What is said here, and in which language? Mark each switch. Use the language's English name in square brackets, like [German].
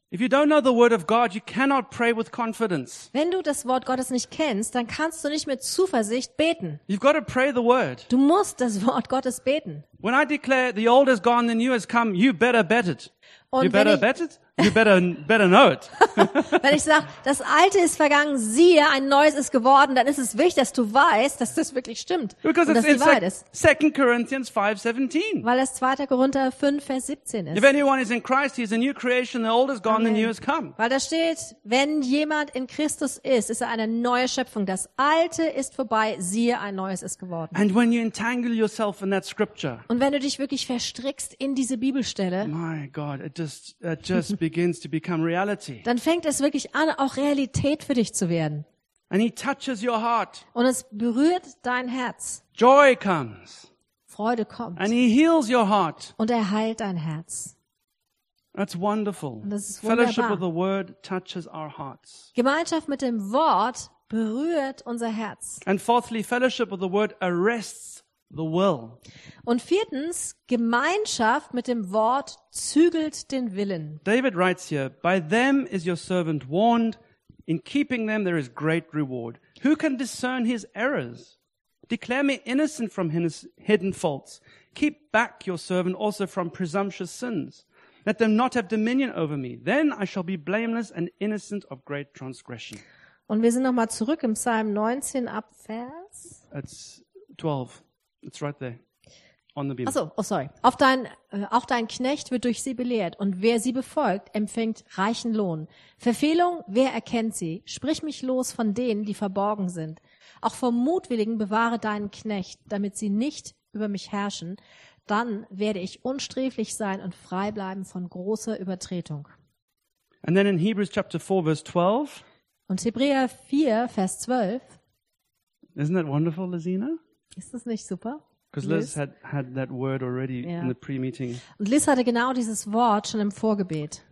[English] If you don't know the word of God, you cannot pray with confidence. [German] Wenn du das Wort Gottes nicht kennst, dann kannst du nicht mit Zuversicht beten. [English] You've got to pray the word. [German] Du musst das Wort Gottes beten. [English] When I declare the old is gone, the new has come, you better bet it. [German] Und [English] you better [German] ich, [English] bet it? You better know it. [German] Wenn ich sage, das Alte ist vergangen, siehe, ein Neues ist geworden, dann ist es wichtig, dass du weißt, dass das wirklich stimmt. [English] Because [German] und dass [English] it's [German] die Wahrheit ist. [English] 2. Corinthians 5, 17. [German] Weil es 2. Korinther 5, Vers 17 ist. [English] If anyone is in Christ, he is a new creation, the old is gone, Amen. The new has come. [German] Weil da steht, wenn jemand in Christus ist, ist er eine neue Schöpfung. Das Alte ist vorbei, siehe, ein Neues ist geworden. [English] And when you entangle yourself in that scripture. [German] Und wenn du dich wirklich verstrickst in diese Bibelstelle. [English] My God, it just begins to become reality. [German] Dann fängt es wirklich an, auch Realität für dich zu werden. [English] And he touches your heart. [German] Und es berührt dein Herz. [English] Joy comes. [German] Freude kommt. [English] And he heals your heart. [German] Und er heilt dein Herz. [English] That's wonderful. [German] Und das ist wunderbar. [English] Fellowship with the word touches our hearts. [German] Gemeinschaft mit dem Wort berührt unser Herz. [English] And fourthly, fellowship with the word arrests the will. [German] Und viertens, Gemeinschaft mit dem Wort zügelt den Willen. [English] David writes here, by them is your servant warned, in keeping them there is great reward. Who can discern his errors? Declare me innocent from his hidden faults. Keep back your servant also from presumptuous sins. Let them not have dominion over me. Then I shall be blameless and innocent of great transgression. [German] Und wir sind nochmal zurück im Psalm 19 ab Vers. [English] It's 12. It's right there on the beam. [German] Ach so, [English] oh sorry. [German] Auch dein Knecht wird durch sie belehrt und wer sie befolgt, empfängt reichen Lohn. Verfehlung, wer erkennt sie? Sprich mich los von denen, die verborgen sind. Auch vom Mutwilligen bewahre deinen Knecht, damit sie nicht über mich herrschen. Dann werde ich unsträflich sein und frei bleiben von großer Übertretung. [English] And then in Hebrews chapter 4 verse 12. [German] Und Hebräer 4 Vers 12. [English] Isn't that wonderful, Lesina? [German] Ist das nicht super? [English] Because Liz had that word already in the pre-meeting. [German] Und Liz hatte genau dieses Wort schon im Vorgebet.